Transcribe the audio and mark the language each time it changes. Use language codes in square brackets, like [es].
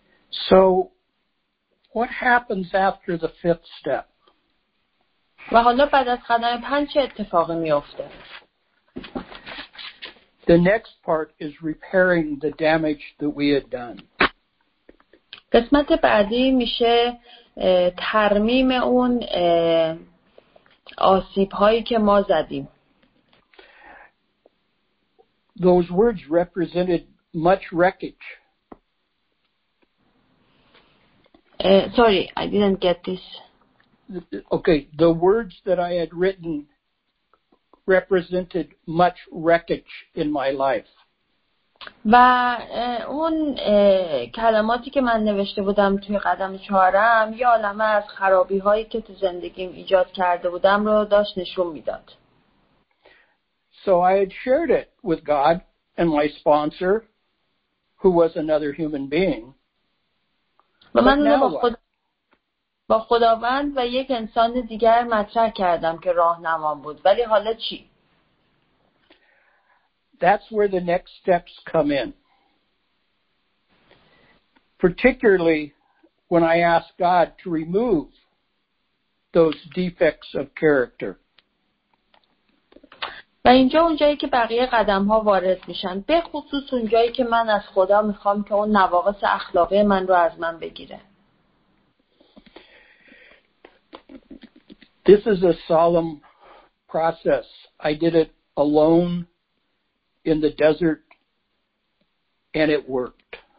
[en] So what happens after the fifth step? [fa] و حالا بعد از قدم پنج چه اتفاقی میفته؟ [en] The next part is repairing the damage that we had done. [fa] قسمت بعدی میشه ترمیم اون آسیب هایی که ما زدیم. [en] those words represented much wreckage. Sorry, I didn't get this. Okay, the words that I had written represented much wreckage in my life. [fa] و اون کلماتی که من نوشته بودم توی قدم چهارم یه عالمه از خرابی هایی که تو زندگیم ایجاد کرده بودم رو داشت نشون میداد. [en] So I had shared it with God and my sponsor, who was another human being. [fa] و من اونو با خداوند و یک انسان دیگر مطرح کردم که راهنمام بود. ولی حالا چی؟ [en] That's where the next steps come in. Particularly when I ask God to remove those defects of character. [fa] و اینجا اونجایی که بقیه قدم‌ها وارد میشن، به خصوص اونجایی که من از خدا میخوام که اون نواقص اخلاقی من رو از من بگیره. [en] This is a solemn process. I did it alone in the desert and it worked.